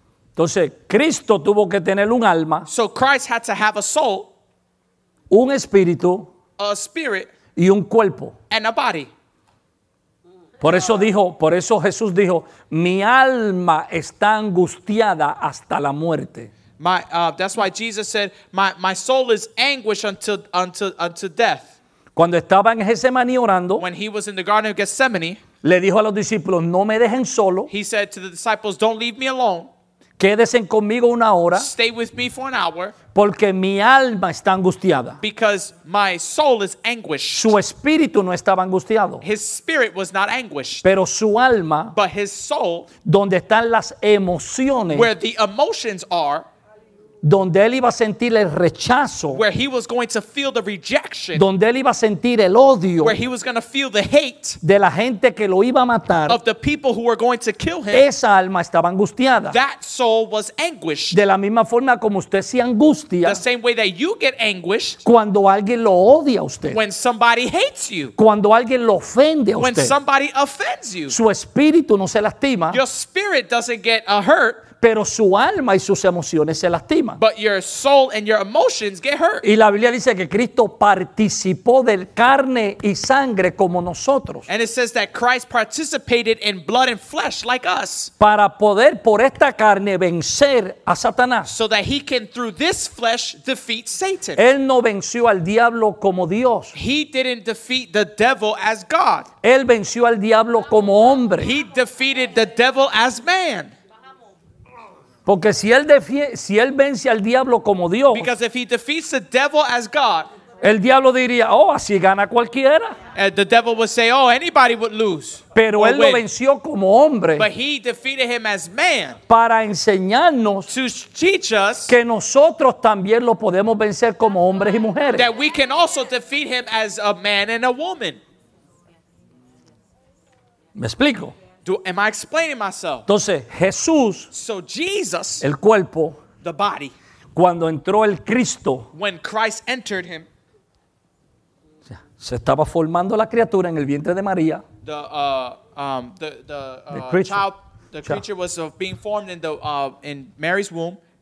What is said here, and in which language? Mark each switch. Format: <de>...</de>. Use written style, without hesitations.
<es>Entonces, Cristo tuvo que tener un alma.</es> <en>So Christ had to have a soul.</en> <es>Un espíritu.</es> <en>A spirit.</en> <es>Y un cuerpo.</es> <en>And a body.</en> <es>Por eso Jesús dijo, mi alma está angustiada hasta la muerte.</es> <en>That's why Jesus said, my soul is anguished until death.</en> <es>Cuando estaba en Getsemaní orando,</es> <en>when he was in the Garden of Gethsemane,</en> <es>le dijo a los discípulos, no me dejen solo.</es> <en>He said to the disciples, don't leave me alone.</en> <es>Quédense conmigo una hora.</es> <en>Stay with me for an hour.</en> <es>Porque mi alma está angustiada.</es> <en>Because my soul is anguished.</en> <es>Su espíritu no estaba angustiado.</es> <en>His spirit was not anguished.</en> <es>Pero su alma.</es> <en>But his soul.</en> <es>Donde están las emociones.</es> <en>Where the emotions are.</en> <es>Donde él iba a sentir el rechazo.</es> <en>Where he was going to feel the rejection.</en> <es>Donde él iba a sentir el odio.</es> <en>Where he was going to feel the hate.</en> <es>De la gente que lo iba a matar.</es> <en>Of the people who were going to kill him.</en> <es>Esa alma estaba angustiada.</es> <en>That soul was anguished.</en> <es>De la misma forma como usted se angustia.</es> <en>The same way that you get anguished.</en> <es>Cuando alguien lo odia a usted.</es> <en>When somebody hates you.</en> <es>Cuando alguien lo ofende a</es> <en>when</en> <es>usted.</es> <en>When somebody offends you.</en> <es>Su espíritu no se lastima.</es> <en>Your spirit doesn't get a hurt.</en> <es>Pero su alma y sus emociones se lastiman.</es> <en>But your soul and your emotions get hurt.</en> <es>Y la Biblia dice que Cristo participó del carne y sangre como nosotros.</es> <en>And it says that Christ participated in blood and flesh like us.</en> <es>Para poder por esta carne vencer a Satanás.</es> <en>So that he can through this flesh defeat Satan.</en> <es>Él no venció al diablo como Dios.</es> <en>He didn't defeat the devil as God.</en> <es>Él venció al diablo como hombre.</es> <en>He defeated the devil as man.</en> <es>Porque si él vence al diablo como Dios.</es> <en>Because if he defeats the devil as God.</en> <es>El diablo diría, oh, así gana cualquiera.</es> <en>The devil would say, oh, anybody would lose.</en> <es>Pero él lo venció como hombre.</es> <en>But he defeated him as man.</en> <es>Para enseñarnos.</es> <en>To teach us.</en> <es>Que nosotros también lo podemos vencer como hombres y mujeres.</es> <en>That we can also defeat him as a man and a woman.</en> <es>¿Me explico?</es> <en>Am I explaining myself?</en> <es>Entonces, Jesús,</es> <en>so Jesus,</en> <es>el cuerpo,</es> <en>the body,</en> <es>cuando entró el Cristo,</es> <en>when Christ entered him,</en> <es>se estaba formando la criatura en el vientre de María.</es> <en>The creature was being formed in Mary's womb.</en>